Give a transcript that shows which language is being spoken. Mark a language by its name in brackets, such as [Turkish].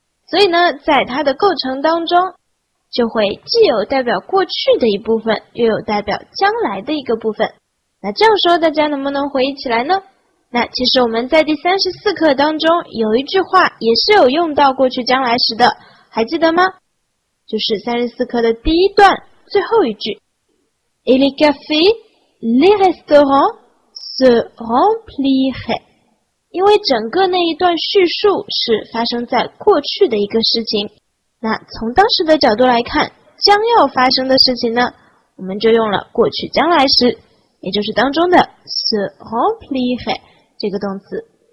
[Chinese] 所以呢，在它的构成当中，就会既有代表过去的一部分，又有代表将来的一个部分。那这样说，大家能不能回忆起来呢？那其实我们在第34课当中，有一句话也是有用到过去将来时的，还记得吗？就是34课的第一段最后一句 ， [French] Et les cafés, les restaurants se remplissent。 [Chinese] 因为整个那一段叙述是发生在过去的一个事情，那从当时的角度来看，将要发生的事情呢，我们就用了过去将来时，也就是当中的 [French] se remplissent [Chinese] 这个动词。